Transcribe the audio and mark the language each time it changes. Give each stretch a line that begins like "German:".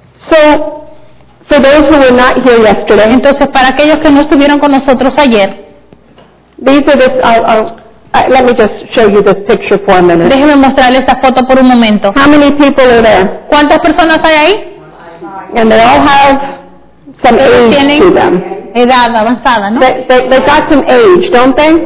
English: So, for those who were not here yesterday.
Spanish: Entonces, para aquellos que no estuvieron con nosotros ayer.
English: Let me just show you this picture for a minute.
Spanish: Déjeme mostrarle esta foto por un momento.
English: How many people are there?
Spanish: ¿Cuántas personas hay ahí?
English: And they all have some age to them.
Spanish: Edad avanzada, ¿no?
English: They got some age, don't they?